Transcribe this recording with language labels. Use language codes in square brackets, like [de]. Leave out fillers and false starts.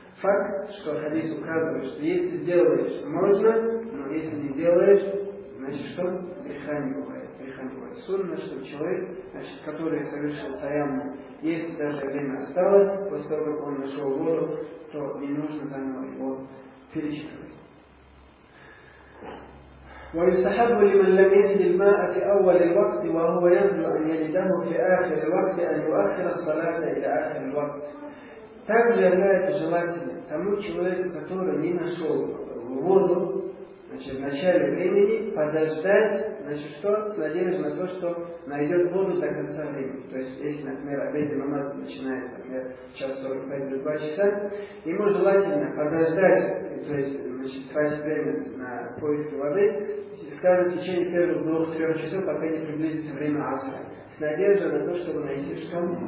[ru] Факт, что хадис указывает, что если делаешь, то можно, но если не делаешь, значит что? Греха не бывает. Греха не бывает. Сунна, что человек, значит, который совершил таямму, если даже время осталось, после того, как он нашел воду, то не нужно заново его перечитывать. [ar] ويستحب لمن لم يجد الماء في أول الوقت وهو يرجو أن يجده في آخر الوقت أن يؤخر الصلاة إلى آخر الوقت. [ru] Также является желательным тому человеку, который не нашел воду, значит, в начале времени подождать, значит, что с надеждой на то, что найдет воду до конца времени. То есть, если, например, обеденный намаз начинает, например, час 45 или 2 часа, ему желательно подождать, то есть, значит, тратить время на поиски воды, скажем, в течение первых 2-3 часов, пока не приблизится время асра, с надеждой на то, чтобы найти что?